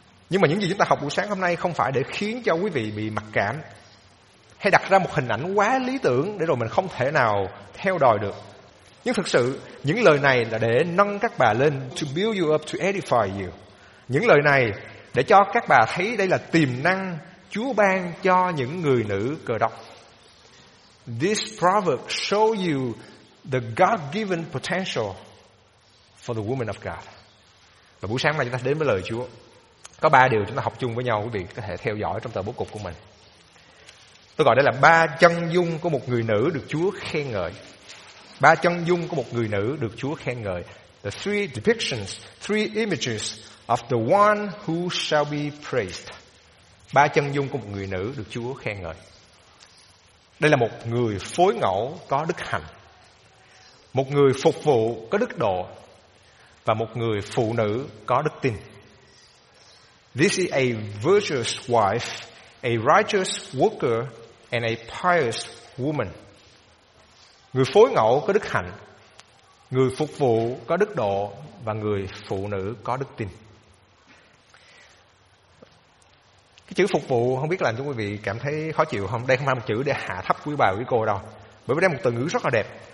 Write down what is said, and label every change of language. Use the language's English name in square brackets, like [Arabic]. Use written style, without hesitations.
[Vietnamese] Nhưng mà những gì chúng ta học buổi sáng hôm nay không phải để khiến cho quý vị bị mặc cảm hay đặt ra một hình ảnh quá lý tưởng để rồi mình không thể nào theo đòi được. Nhưng thực sự những lời này là để nâng các bà lên, [English] to build you up, to edify you. [Vietnamese] Những lời này để cho các bà thấy đây là tiềm năng Chúa ban cho những người nữ cơ đốc. [English] This proverb show you the God-given potential for the woman of God. [Vietnamese] Và buổi sáng nay chúng ta đến với lời Chúa. Có ba điều chúng ta học chung với nhau, quý vị có thể theo dõi trong tờ bố cục của mình. Tôi gọi đây là ba chân dung của một người nữ được Chúa khen ngợi. Ba chân dung của một người nữ được Chúa khen ngợi. [English] The three depictions, three images of the one who shall be praised. [Vietnamese] Ba chân dung của một người nữ được Chúa khen ngợi. Đây là một người phối ngẫu có đức hạnh, một người phục vụ có đức độ, và một người phụ nữ có đức tin. [English] This is a virtuous wife, a righteous worker, and a pious woman. [Vietnamese] Người phối ngẫu có đức hạnh, người phục vụ có đức độ, và người phụ nữ có đức tin. Cái chữ phục vụ không biết làm cho quý vị cảm thấy khó chịu không? Đây không phải một chữ để hạ thấp quý bà quý cô đâu, bởi vì đây là một từ ngữ rất là đẹp.